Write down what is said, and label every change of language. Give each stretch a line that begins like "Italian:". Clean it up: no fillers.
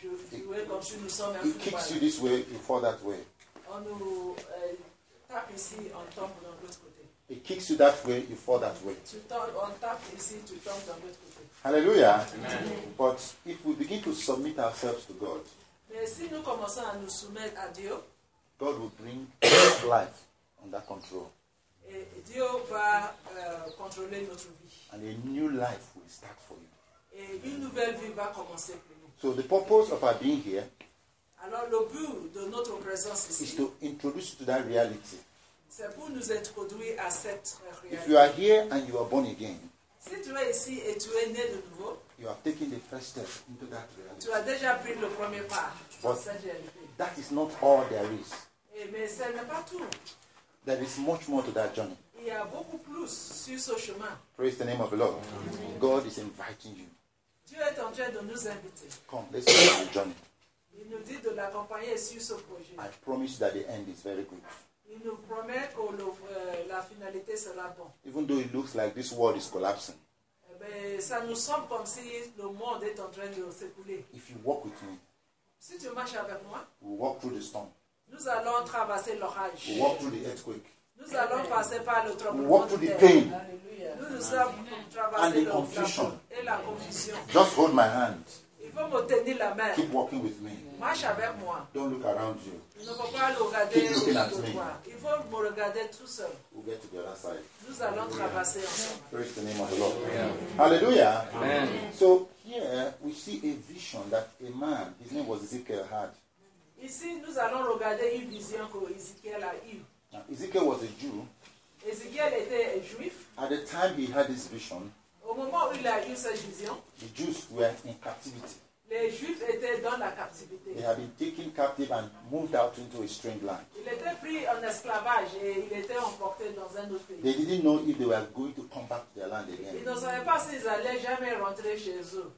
English: It kicks you this way, you fall that way.
French: on nous tape ici, on tombe dans l'autre côté.
English: It kicks you that way, you fall that way.
French: On tape ici, tu tombes dans l'autre côté.
English: Hallelujah. Amen. But if we begin to submit ourselves to God,
French: mais si nous commençons à nous soumettre à Dieu,
English: God will bring life under control.
French: Et Dieu va contrôler notre vie.
English: And a new life will start for you.
French: Et une nouvelle vie va commencer pour nous.
English: So the purpose of our being here,
French: alors le but de notre présence ici,
English: is to introduce you to that reality.
French: C'est pour nous introduire à cette réalité.
English: If you are here and you are born again,
French: si tu es ici et tu es né de nouveau,
English: you have taken the first step into that reality.
French: Tu as déjà pris le premier pas.
English: But that is not all there is.
French: Mais ce n'est pas tout.
English: There is much more to that journey.
French: Il y a beaucoup plus sur ce chemin.
English: Praise the name of the Lord. Amen. God is inviting you.
French: Dieu est en train de nous inviter.
English: Come, let's start the journey.
French: Il nous dit de l'accompagner sur ce projet.
English: I promise that the end is very good.
French: Il nous promet que la finalité sera bon.
English: Even though it looks like this world is collapsing.
French: Ça nous semble comme si le monde est en train de s'écouler.
English: If you walk with me,
French: si tu marches avec moi,
English: we'll walk through the storm.
French: Nous allons traverser l'orage.
English: We'll walk through the earthquake.
French: Nous allons passer par le tremblement.
English: We'll walk through the pain.
French: Nous allons traverser
English: the confusion.
French: Et la confusion.
English: Just hold my hand.
French: Il faut me tenir la main.
English: Keep walking with me.
French: Marche avec moi.
English: Don't look around you.
French: Il ne faut pas le regarder.
English: Keep looking at me.
French: Il faut me regarder tout seul.
English: We'll get to the other side.
French: Nous allons traverser ensemble.
English: Praise the name of the Lord. Yeah. Hallelujah. Amen. So here we see a vision that a man, his name was Ezekiel, had.
French: Ici, nous allons regarder une vision que Ezekiel a eue.
English: Now, Ezekiel was a Jew.
French: Ezekiel était un juif.
English: At the time he had this vision,
French: au moment où il a eu cette vision,
English: the Jews were in captivity.
French: Les Juifs étaient dans la captivité.
English: They had been taken captive and moved out into a strange land.
French: Il était pris en esclavage et il était emporté dans un autre pays.
English: They didn't know if they were going to come back to their land again.
French: Ils ne savaient pas s'ils allaient jamais rentrer chez eux.